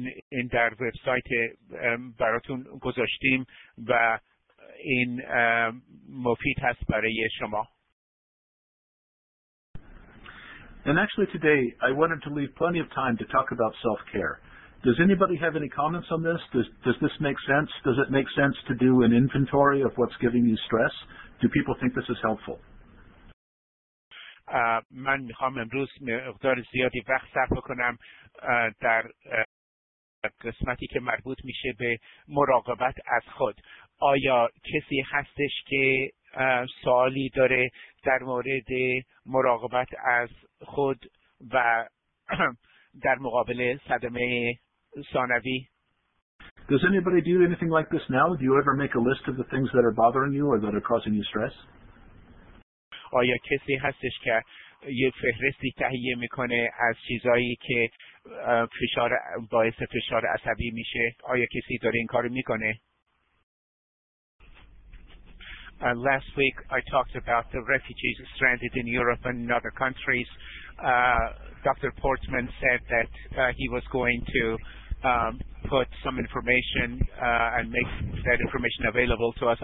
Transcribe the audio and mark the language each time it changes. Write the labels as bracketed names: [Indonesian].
[Persian] این در وبسایت براتون گذاشتیم و این مفید هست برای شما. [English] And actually today I wanted to leave plenty of time to talk about self-care. Does anybody have any comments on this? Does this make sense? Does it make sense to do an inventory of what's giving you stress? Do people think this is helpful? [Persian] من میخوام امروز مقدار زیادی وقت صرف کنم در قسمتی که مربوط میشه به مراقبت از خود. آیا کسی هستش که سوالی داره در مورد مراقبت از خود و در مقابل صدمه ثانوی؟ [English] Does anybody do anything like this now? Do you ever make a list of the things that are bothering you or that are causing you stress? [Persian] آیا کسی هستش که یه فهرستی تهیه میکنه از چیزایی که فشار باعث فشار عصبی میشه؟ آیا کسی داره این کارو میکنه؟ [English] Last week I talked about the refugees stranded in Europe and in other countries. Dr. Portman said that he was going to put some information and make that information available to us.